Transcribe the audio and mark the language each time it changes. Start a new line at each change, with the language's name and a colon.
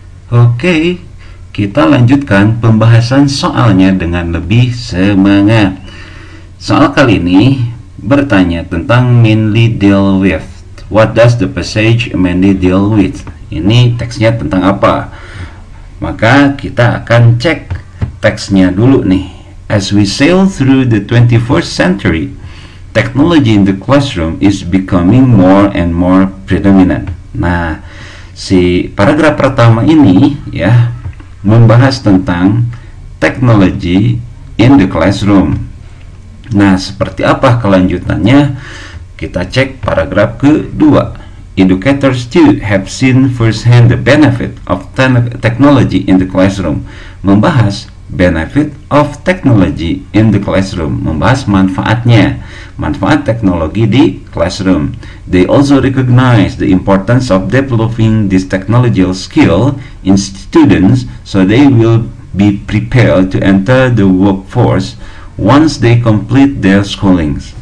Indonesian: Oke, kita lanjutkan pembahasan soalnya dengan lebih semangat. Soal kali ini bertanya tentang
English: mainly deal with. What does the passage mainly deal with?
Indonesian: Ini teksnya tentang apa? Maka kita akan cek teksnya dulu nih.
English: As we sail through the 21st century, technology in the classroom is becoming more and more predominant.
Indonesian: Nah, si paragraf pertama ini ya membahas tentang
English: technology in the classroom.
Indonesian: Nah, seperti apa kelanjutannya? Kita cek paragraf kedua.
English: Educators too have seen firsthand the benefit of technology in the classroom.
Indonesian: Membahas
English: benefit of technology in the classroom,
Indonesian: membahas manfaatnya, manfaat teknologi di classroom.
English: They also recognize the importance of developing this technological skill in students so they will be prepared to enter the workforce once they complete their schoolings.